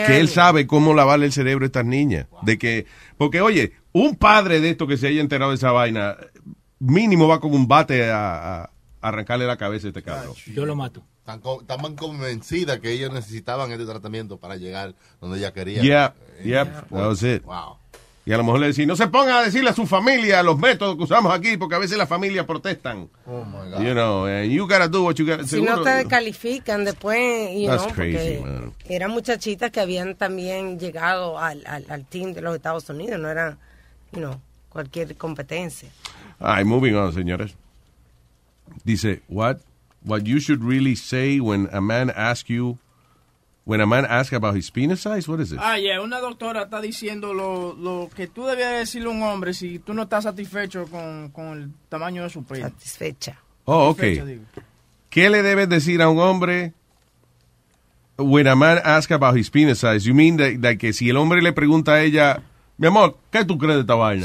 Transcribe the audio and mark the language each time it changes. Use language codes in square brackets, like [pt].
[es] De que él sabe cómo lavarle el cerebro a estas niñas. Wow. De que, porque oye, un padre de esto que se haya enterado de esa vaina, mínimo va con un bate a arrancarle la cabeza a este cabrón. Yo lo mato. Estaban convencidas que ellos necesitaban este tratamiento para llegar donde ella quería. [en] Yeah, that was it. Wow. [es] Y a lo mejor le decían, no se pongan a decirle a su familia los métodos que usamos aquí, porque a veces las familias protestan. [en] Oh, my God. You know, and you gotta do what you gotta. [es] Si no te descalifican después, you that's know, crazy, porque man. Eran muchachitas que habían también llegado al team de los Estados Unidos, no era, you know, cualquier competencia. [en] All right, moving on, señores. Dice, What you should really say when a man asks you, when a man asks about his penis size, what is it? [es] Ah, yeah, una doctora está diciendo lo que tú debías decirle a un hombre si tú no estás satisfecho con el tamaño de su pene. Satisfecha. [en] Oh, okay. Digo. [es] ¿Qué le debes decir a un hombre [en] when a man asks about his penis size? You mean that [es] que si el hombre le pregunta a ella, mi amor, ¿qué tú crees de esta vaina?